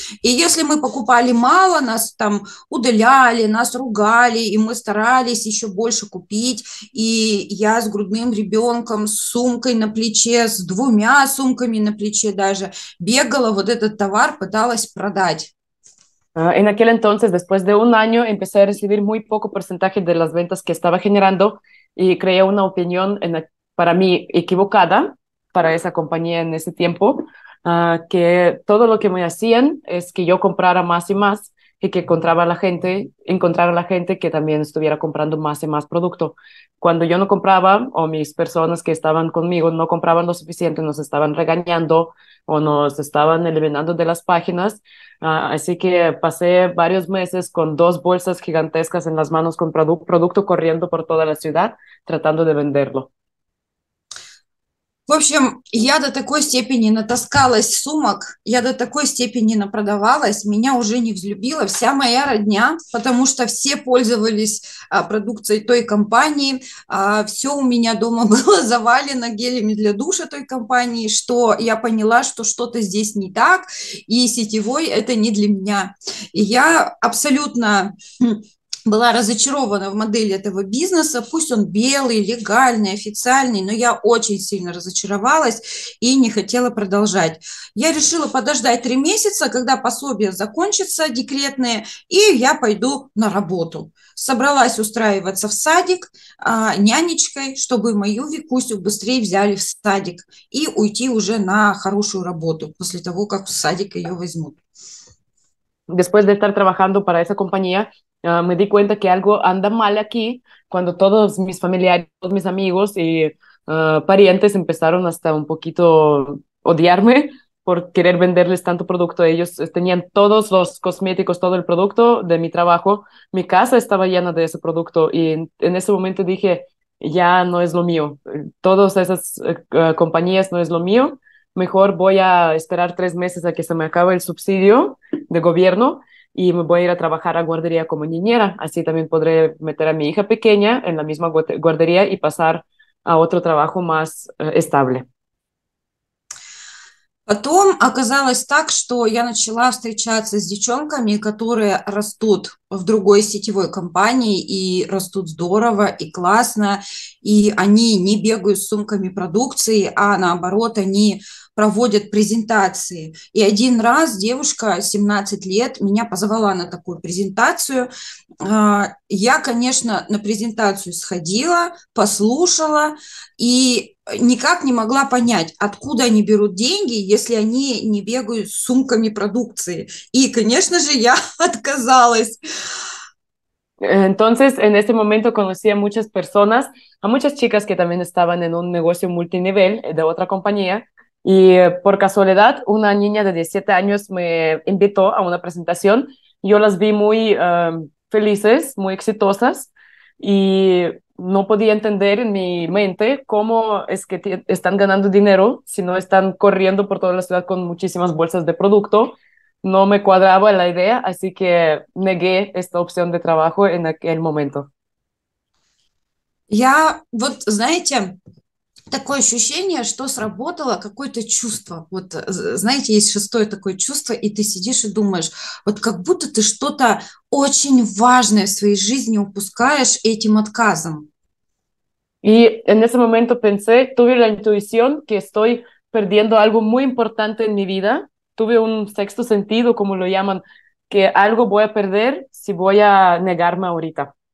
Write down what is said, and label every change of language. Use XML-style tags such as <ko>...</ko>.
<ru>И если мы покупали мало, нас там удаляли, нас ругали, и мы старались еще больше купить. И я с грудным ребенком, с сумкой на плече, с 2 сумками на плече даже бегала, вот этот товар пыталась продать.</ru> <es>En aquel entonces, después de 1 año, empecé a recibir muy poco porcentaje de las ventas que estaba generando y creé una opinión para mí equivocada para esa compañía en ese tiempo, que todo lo que me hacían es que yo comprara más y más y que encontrara a la gente que también estuviera comprando más y más producto. Cuando yo no compraba o mis personas que estaban conmigo no compraban lo suficiente, nos estaban regañando o nos estaban eliminando de las páginas. Así que pasé varios meses con 2 bolsas gigantescas en las manos con producto corriendo por toda la ciudad tratando de venderlo.</es> <ru>В общем, я до такой степени натаскалась сумок, я до такой степени напродавалась, меня уже не взлюбила вся моя родня, потому что все пользовались продукцией той компании, все у меня дома было завалено гелями для душа той компании, что я поняла, что что-то здесь не так, и сетевой это не для меня. И я абсолютно была разочарована в модели этого бизнеса. Пусть он белый, легальный, официальный, но я очень сильно разочаровалась и не хотела продолжать. Я решила подождать 3 месяца, когда пособие закончится, декретное, и я пойду на работу. Собралась устраиваться в садик нянечкой, чтобы мою Викусю быстрее взяли в садик и уйти уже на хорошую работу после того, как в садик ее возьмут.</ru> <es>Después de estar trabajando para esa compañía, me di cuenta que algo anda mal aquí cuando todos mis familiares, todos mis amigos y parientes empezaron hasta un poquito odiarme por querer venderles tanto producto. Ellos tenían todos los cosméticos, todo el producto de mi trabajo. Mi casa estaba llena de ese producto y en ese momento dije, ya no es lo mío. Todas esas compañías no es lo mío. Mejor voy a esperar 3 meses a que se me acabe el subsidio de gobierno y me voy a ir a trabajar a guardería como niñera. Así también podré meter a mi hija pequeña en la misma guardería y pasar a otro trabajo más estable.</es> <ru>Потом оказалось так, что я начала встречаться с девчонками, которые растут в другой сетевой компании и растут здорово и классно, и они не бегают с сумками продукции, а наоборот, они проводят презентации. И один раз девушка, 17 лет, меня позвала на такую презентацию. Я, конечно, на презентацию сходила, послушала и никак не могла понять, откуда они берут деньги, если они не бегают с сумками продукции. И, конечно же, я отказалась.</ru> <es>Entonces, en ese momento conocí a muchas personas, a muchas chicas que también estaban en un negocio multinivel de otra compañía, y por casualidad una niña de 17 años me invitó a una presentación. Yo las vi muy felices, muy exitosas, y no podía entender en mi mente cómo es que están ganando dinero si no están corriendo por toda la ciudad con muchísimas bolsas de producto. No me cuadraba la idea, así que negué esta opción de trabajo en aquel momento.</es> <ru>Я, вот знаете, такое ощущение, что сработало какое-то чувство. Вот знаете, есть 6-е такое чувство, и ты сидишь и думаешь, вот как будто ты что-то очень важное в своей жизни упускаешь этим отказом.</ru> <es>И en ese momento pensé, tuve la intuición que estoy perdiendo algo muy importante en mi vida. Tuve un sexto sentido, como lo llaman, que algo voy a perder si voy a negarme ahorita.</es>